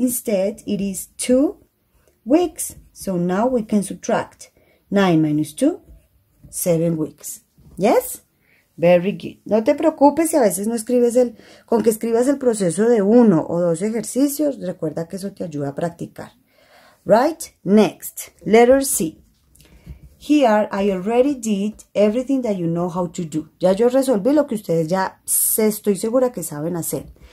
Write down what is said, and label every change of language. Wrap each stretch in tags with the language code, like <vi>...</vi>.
<en>Instead, it is 2 weeks. So now we can subtract 9 minus 2, 7 weeks. Yes? Very good.</en> <es>No te preocupes si a veces no escribes el, con que escribas el proceso de 1 o 2 ejercicios, recuerda que eso te ayuda a practicar.</es> <en>Right? Next, letter C. Here I already did everything that you know how to do.</en> <es>Ya yo resolví lo que ustedes ya se estoy segura que saben hacer.</es>